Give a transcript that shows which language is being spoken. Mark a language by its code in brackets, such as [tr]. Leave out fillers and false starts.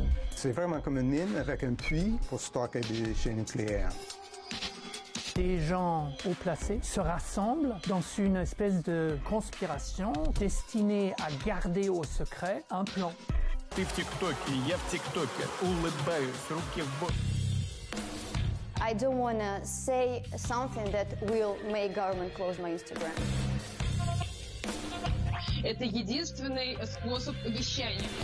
[fr] C'est vraiment comme une mine avec un puits pour stocker des déchets nucléaires. Des gens haut placés se rassemblent dans une espèce de conspiration destinée à garder au secret un plan. [ru] Ты в ТикТоке, я в ТикТоке, улыбаюсь, руки в бок. [en] I don't want to say something that will make government close my Instagram. [ru] Это единственный способ обещания.